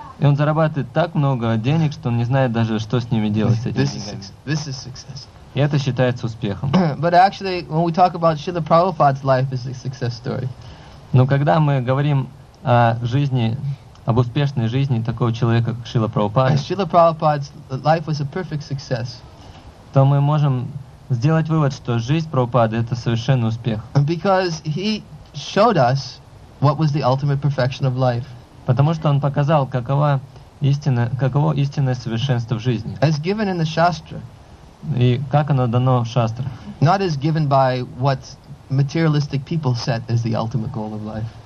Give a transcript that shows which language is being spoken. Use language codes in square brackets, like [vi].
[ru] И он зарабатывает так много денег, что он не знает даже, что с ними делать, с этими деньгами. [en] This is success. [ru] И это считается успехом. [en] But actually, when we talk about Srila Prabhupada's life, it's a success story. [ru] Но когда мы говорим о жизни, об успешной жизни такого человека, как Шрила Прабхупада, [en] Srila Prabhupada's life was a perfect success. [ru] То мы можем сделать вывод, что жизнь Прабхупады — это совершенный успех. [en] Because he showed us what was the ultimate perfection of life. [ru] Потому что он показал, каково истинное совершенство в жизни. [en] As given in the Shastra. [ru] И как оно дано в Шастрах. [en] Not as given by what materialistic people set as the ultimate goal of life.